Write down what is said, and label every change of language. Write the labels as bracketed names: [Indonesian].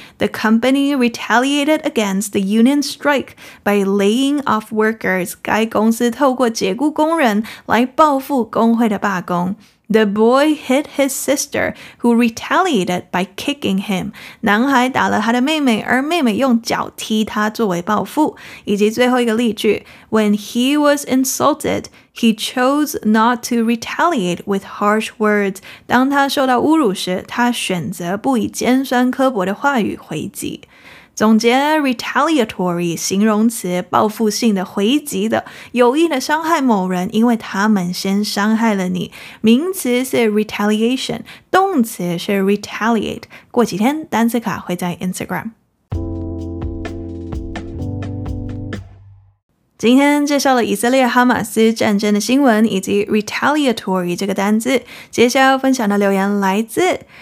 [English] The company retaliated against the union strike by laying off workers. [Chinese] 该公司透过解雇工人来报复工会的罢工。 [English] The boy hit his sister, who retaliated by kicking him. [Chinese] 男孩打了他的妹妹，而妹妹用脚踢他作为报复。以及最后一个例句 [English] ,When he was insulted, he chose not to retaliate with harsh words. [Chinese] 当他受到侮辱时，他选择不以尖酸刻薄的话语回击。总结 retaliatory 形容词报复性的回击的有意的伤害某人因为他们先伤害了你名词是 retaliation 动词是 retaliate 过几天单词卡会在 Instagram 今天介绍了以色列哈马斯战争的新闻以及 retaliatory 这个单词接下来要分享的留言来自